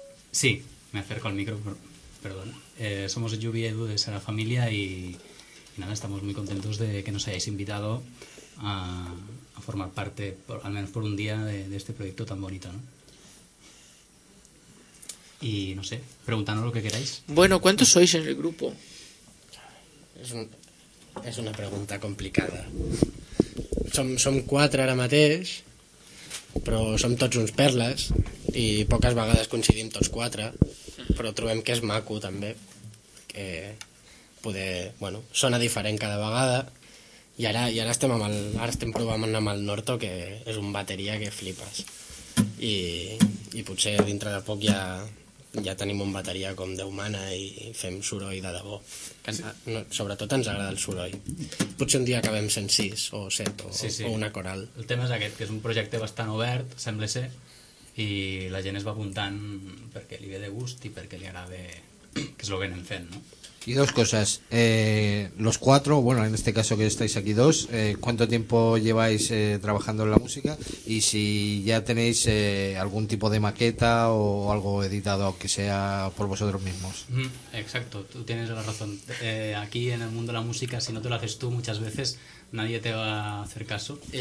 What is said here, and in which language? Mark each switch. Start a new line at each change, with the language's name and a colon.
Spanish: Sí, me acerco al micro, perdón. Somos Yubi y Edu de Sagrada Familia y nada, estamos muy contentos de que nos hayáis invitado a formar parte, al menos por un día, de este proyecto tan bonito, ¿no? Y no sé, preguntando lo que queráis. Bueno, ¿cuántos sois en el grupo? Es una pregunta complicada.
Catalan: Som quatre ara mateix, però som tots uns perles i poques vegades coincidim tots quatre, però trobem que és maco també, que poder, bueno, sona diferent cada vegada. I ara estem provant amb el Norto, que és un bateria que flipes. I potser dintre de poc ja tenim un bateria com Déu mana i fem soroll de debò. Sobretot ens agrada el soroll. Potser un dia acabem sent 6 o 7 o una coral. El tema és aquest, que és un projecte bastant obert, sembla ser, i la gent es va apuntant perquè li ve de gust i perquè li agrada, que és el que anem fent, no?
Spanish: Y dos cosas, los cuatro, bueno, en este caso que estáis aquí dos, ¿cuánto tiempo lleváis trabajando en la música? Y si ya tenéis algún tipo de maqueta o algo editado, aunque sea por vosotros mismos. Exacto, tú tienes la razón. Aquí en el mundo de la música, si no te lo haces tú, muchas veces nadie te va a hacer caso.